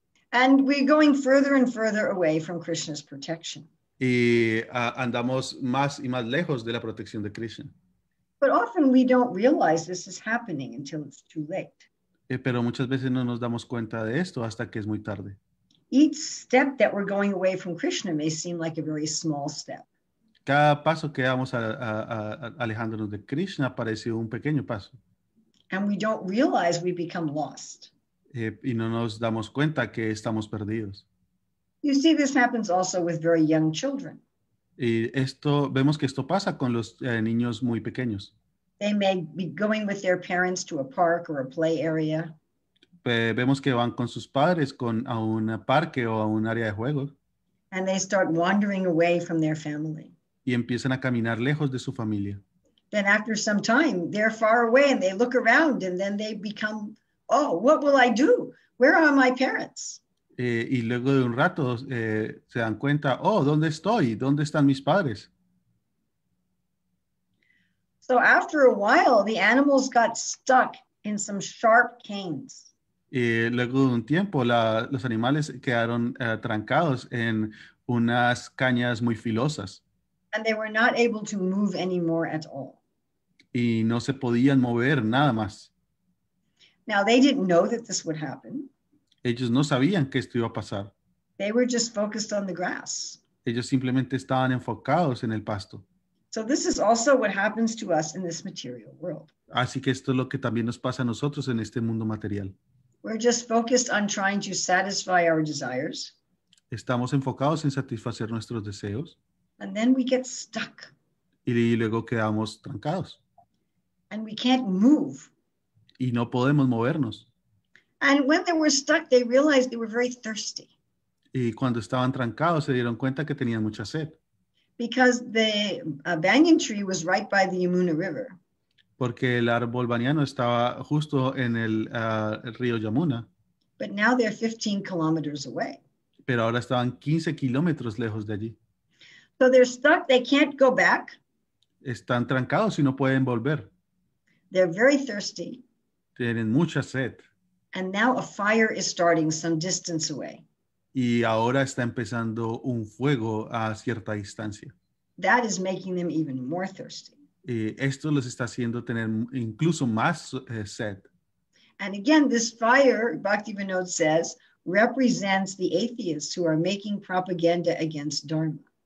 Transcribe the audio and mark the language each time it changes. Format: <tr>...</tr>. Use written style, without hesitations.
<en>And we're going further and further away from Krishna's protection.</en> <es>Y andamos más y más lejos de la protección de Krishna.</es> <en>But often we don't realize this is happening until it's too late.</en> <es>Pero muchas veces no nos damos cuenta de esto hasta que es muy tarde.</es> <en>Each step that we're going away from Krishna may seem like a very small step.</en> <es>Cada paso que damos alejándonos de Krishna parece un pequeño paso.</es> <en>And we don't realize we become lost.</en> <es>Y no nos damos cuenta que estamos perdidos.</es> <en>You see, this happens also with very young children.</en> <es>Y esto, vemos que esto pasa con los niños muy pequeños.</es> <en>They may be going with their parents to a park or a play area.</en> <es>Vemos que van con sus padres a un parque o a un área de juego.</es> <en>And they start wandering away from their family.</en> <es>Y empiezan a caminar lejos de su familia.</es> <en>Then after some time, they're far away and they look around and then they become, oh, what will I do? Where are my parents?</en> <es>Y luego de un rato se dan cuenta, oh, ¿dónde estoy? ¿Dónde están mis padres?</es> <en>So after a while, the animals got stuck in some sharp canes.</en> <es>Y luego de un tiempo, los animales quedaron trancados en unas cañas muy filosas.</es> <en>And they were not able to move anymore at all.</en> <es>Y no se podían mover nada más.</es> <en>Now they didn't know that this would happen.</en> <es>Ellos no sabían que esto iba a pasar.</es> <en>They were just focused on the grass.</en> <es>Ellos simplemente estaban enfocados en el pasto.</es> <en>So this is also what happens to us in this material world.</en> <es>Así que esto es lo que también nos pasa a nosotros en este mundo material.</es> <en>We're just focused on trying to satisfy our desires.</en> <es>Estamos enfocados en satisfacer nuestros deseos.</es> <en>And then we get stuck.</en> <es>Y luego quedamos trancados.</es> <en>And we can't move.</en> <es>Y no podemos movernos.</es> <en>And when they were stuck, they realized they were very thirsty.</en> <es>Y cuando estaban trancados, se dieron cuenta que tenían mucha sed.</es> <en>Because the banyan tree was right by the Yamuna River.</en> <es>Porque el árbol baniano estaba justo en el río Yamuna.</es> <en>But now they're 15 kilometers away.</en> <es>Pero ahora estaban 15 kilómetros lejos de allí.</es> <en>So they're stuck, they can't go back.</en> <es>Están trancados y no pueden volver.</es> <en>They're very thirsty.</en> <es>Tienen mucha sed.</es> <en>And now a fire is starting some distance away.</en> <es>y ahora está empezando un fuego a cierta distancia.</es> <en>That is making them even more thirsty.</en> <es>Esto les está haciendo tener incluso más sed.</es> <en>And again, this fire, Bhaktivinoda says, represents the atheists who are making propaganda against Dharma.</en>